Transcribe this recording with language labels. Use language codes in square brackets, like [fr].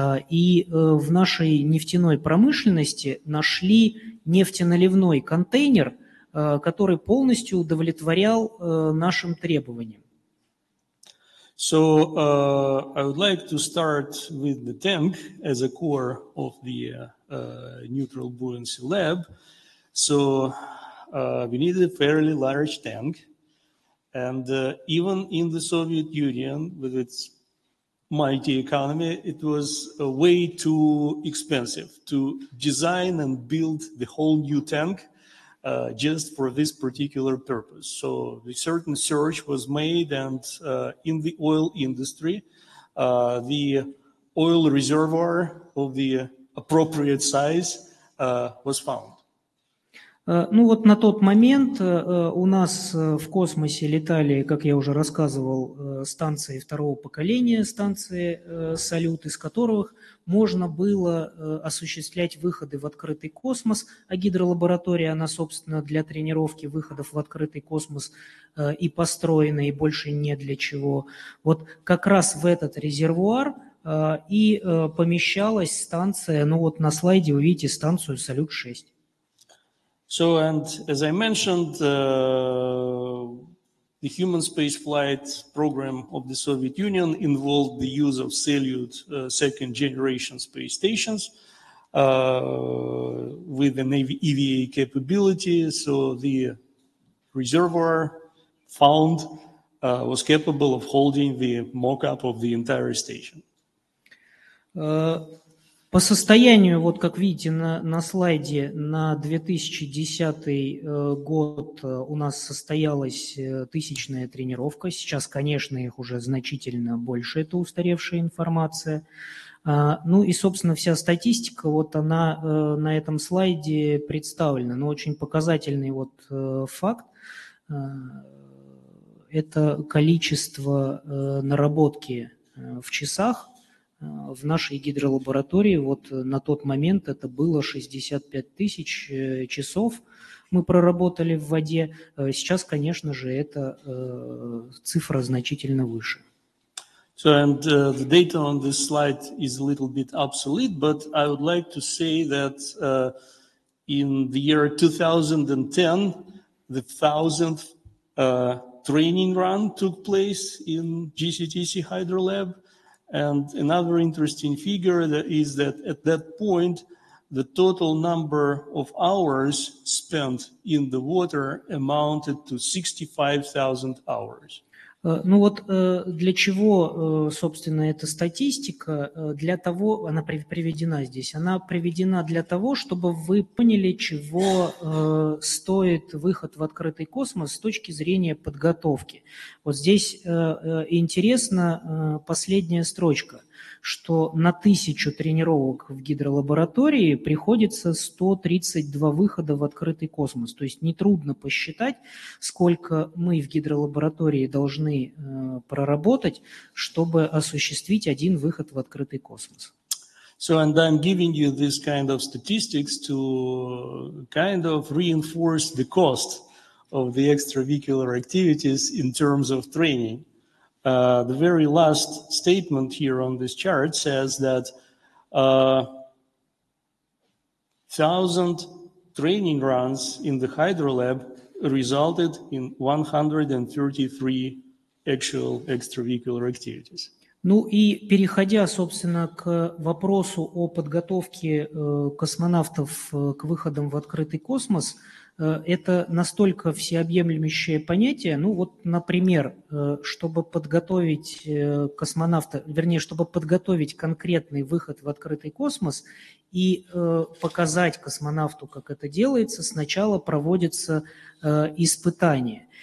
[ru] И в нашей нефтяной промышленности нашли нефтеналивной контейнер, который полностью удовлетворял нашим требованиям. [en] So I would like to start with the tank as a core of the neutral buoyancy lab. So we needed a fairly large tank, and even in the Soviet Union with its mighty economy, it was way too expensive to design and build the whole new tank just for this particular purpose. So a certain search was made, and in the oil industry, the oil reservoir of the appropriate size was found. [ru] Ну вот на тот момент у нас в космосе летали, как я уже рассказывал, станции второго поколения, станции «Салют», из которых можно было осуществлять выходы в открытый космос, а гидролаборатория, она, собственно, для тренировки выходов в открытый космос и построена, и больше не для чего. Вот как раз в этот резервуар и помещалась станция, ну вот на слайде вы видите станцию «Салют-6». [en] So, and as I mentioned, the human spaceflight program of the Soviet Union involved the use of Salyut second generation space stations, with an EVA capability, so the reservoir found was capable of holding the mock-up of the entire station. [ru] По состоянию, вот как видите на слайде, на 2010 год у нас состоялась тысячная тренировка. Сейчас, конечно, их уже значительно больше, это устаревшая информация. Ну и, собственно, вся статистика, вот она на этом слайде представлена. Но очень показательный вот факт – это количество наработки в часах. В нашей гидролаборатории вот на тот момент это было 65 тысяч часов мы проработали в воде. Сейчас, конечно же, эта цифра значительно выше. [en] So, and the data on this slide is a little bit obsolete, but I would like to say that in the year 2010 the 1000th training run took place in GCTC Hydro Lab. And another interesting figure that is that at that point, the total number of hours spent in the water amounted to 65,000 hours. [ru] Ну вот для чего, собственно, эта статистика? Для того, она приведена здесь, она приведена для того, чтобы вы поняли, чего стоит выход в открытый космос с точки зрения подготовки. Вот здесь интересна последняя строчка, что на 1000 тренировок в гидролаборатории приходится 132 выхода в открытый космос. То есть нетрудно посчитать, сколько мы в гидролаборатории должны проработать, чтобы осуществить один выход в открытый космос. [en] So, and I'm giving you this kind of statistics to kind of reinforce the cost of the extravehicular activities in terms of training. The very last statement here on this chart says that 1,000 training runs in the hydro lab resulted in 133 actual extravehicular activities. [ru] Ну и переходя, собственно, к вопросу о подготовке космонавтов к выходам в открытый космос. Это настолько всеобъемлющее понятие. Ну вот, например, чтобы подготовить космонавта, вернее, чтобы подготовить конкретный выход в открытый космос и показать космонавту, как это делается, сначала проводится испытание.